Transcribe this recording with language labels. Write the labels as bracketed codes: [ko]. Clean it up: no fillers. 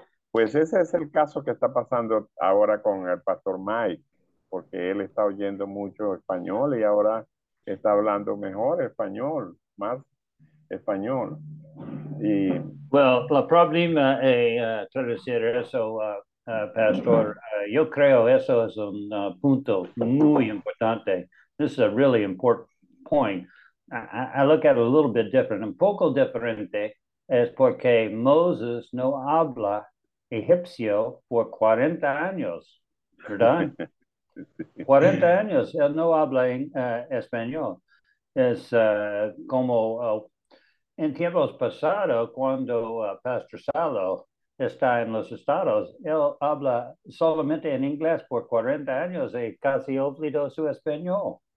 [es] Pues ese es el caso que está pasando ahora con el pastor Mike, porque él está oyendo mucho español y ahora está hablando mejor español, más español. Y well, la problema traducir eso, Pastor, yo creo eso es un punto muy importante. [en] This is a really important point. I look at it a little bit different. [es] Un poco diferente es porque Moses no habla egipcio por 40 años, ¿verdad? 40 años, él no habla en español. Es como en tiempos pasados, cuando Pastor Salo está en los Estados, él habla solamente en inglés por 40 años y casi olvidó su español.